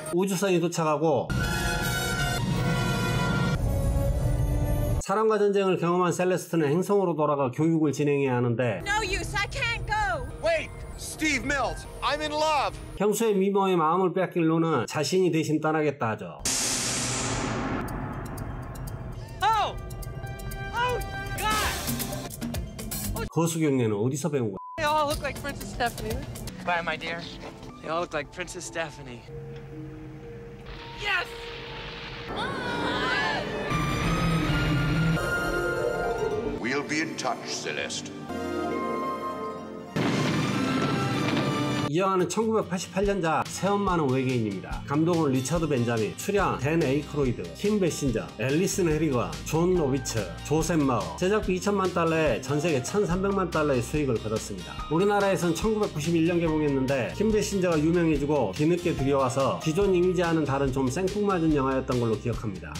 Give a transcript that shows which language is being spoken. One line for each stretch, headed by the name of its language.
Korean: 우주선이 도착하고 사람과 전쟁을 경험한 셀레스트는 행성으로 돌아가 교육을 진행해야 하는데
English: No use, I can't go. Wait, Steve Mills, I'm in love.
Korean: 평소의 미모에 마음을 뺏길 로는 자신이 대신 떠나겠다 하죠.
English: Oh! Oh, God!
Korean: 거수경례는 어디서 배운 거야?
English: They all look like Princess Stephanie. Bye, my dear. They all look like Princess Stephanie. Yes! Oh! We'll be in touch, Celeste.
Korean: 이 영화는 1988년작 새엄마는 외계인입니다. 감독은 리처드 벤자민, 출연 댄 에이크로이드, 킴 베신저, 앨리슨 해리건, 존 노비츠, 조셉 마어. 제작비 2천만 달러에 전세계 1300만 달러의 수익을 거뒀습니다. 우리나라에선 1991년 개봉했는데 킴 베신저가 유명해지고 뒤늦게 들여와서 기존 이미지와는 다른 좀 생뚱맞은 영화였던 걸로 기억합니다.